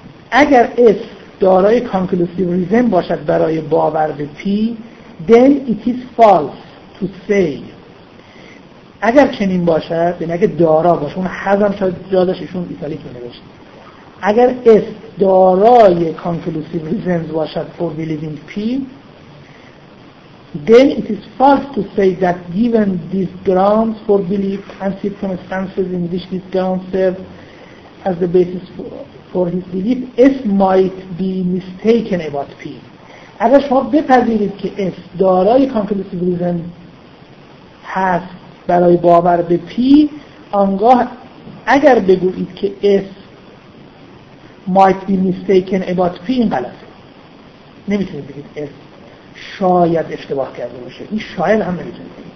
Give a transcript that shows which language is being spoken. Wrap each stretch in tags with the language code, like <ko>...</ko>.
<fa>اگر S دارای conclusive reason باشد برای باور به P،</fa> <en>then it is false to say.</en> <fa>اگر چنین باشد، به نگه دارا باشه، اون حضم شاید جادش ایشون ایتالیک نوشت، اگر اس دارای conclusive reasons باشد</fa> <en>for believing P، then it is false to say that given these grounds for belief and circumstances in which this ground serves as the basis for his belief, S might be mistaken about P.</en> <fa>اگر شما بپذیرید که S دارای conclusive reason هست برای باور به P، آنگاه اگر بگویید که</fa> <en>S might be mistaken about P،</en> <fa>این غلط. نمیتونید بگید S شاید اشتباه کرده باشه، این شاید هم نمیتونید.</fa>